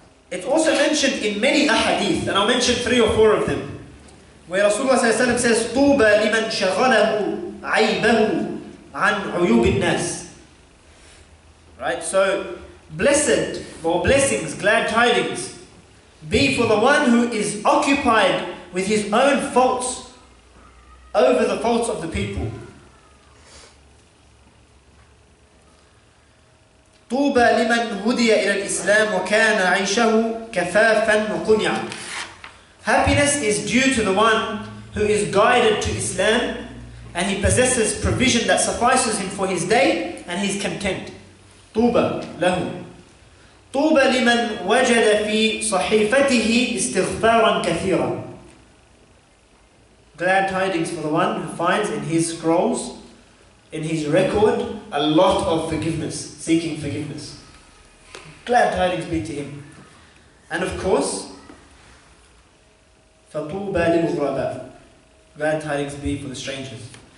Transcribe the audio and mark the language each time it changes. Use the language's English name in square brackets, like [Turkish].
[English] It's also mentioned in many ahadith, and I'll mention three or four of them, where Rasulullah sallallahu alayhi wa sallam says, [Arabic] Tuba liman shaghalahu aybahu an uyub al-nas. [English] Right? So, blessed or blessings, glad tidings, be for the one who is occupied with his own faults over the faults of the people. [Arabic] طوبى لمن هدي إلى الإسلام وكان عيشه كفافا وقنعا. [English] Happiness is due to the one who is guided to Islam and he possesses provision that suffices him for his day and he's content. [Arabic] طوبى له. طوبى لمن وجد في صحيفته استغفارا كثيرا. [English] Glad tidings for the one who finds in his scrolls, in his record, a lot of forgiveness, seeking forgiveness. Glad tidings be to him. And of course, [Arabic] فَطُوبَ لِلْغُرَبَاءِ, [English] glad tidings be for the strangers.